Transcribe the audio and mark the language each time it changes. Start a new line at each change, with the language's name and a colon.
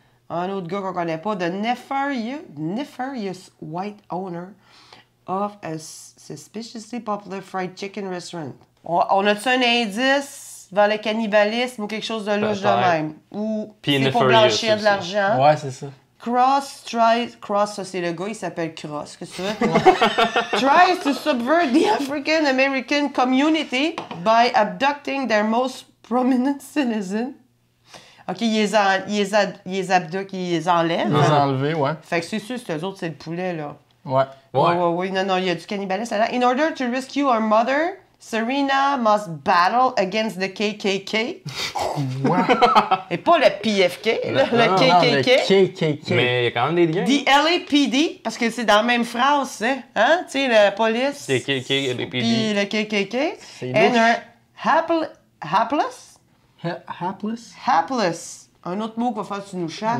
French: Un autre gars qu'on connaît pas,
English: the nefarious white owner of a suspiciously popular fried chicken restaurant.
French: On a-tu un indice vers le cannibalisme ou quelque chose de louche de même? Ou c'est pour blanchir aussi. De l'argent? Ouais, c'est ça. Cross, ça c'est le gars, il s'appelle Cross, que tu veux?
English: Tries to subvert the African-American community by abducting their most prominent citizen.
French: OK, ils les enlèvent. Ils les enlèvent, ouais. Fait que c'est sûr, c'est eux autres, c'est le poulet, là. Ouais. Non, il y a du cannibalisme là.
English: In order to rescue our mother, Serena must battle against the KKK.
French: Quoi? Et pas le PFK, le non, KKK. Non, le KKK. Mais il y a quand même des liens. The LAPD, parce que c'est dans la même phrase, c'est. Hein? Tu sais, la police. KKK, LAPD. Puis le KKK. C'est
English: and a hapless? Hapless? Hapless.
French: Un autre mot qu'on va faire, tu nous cherches.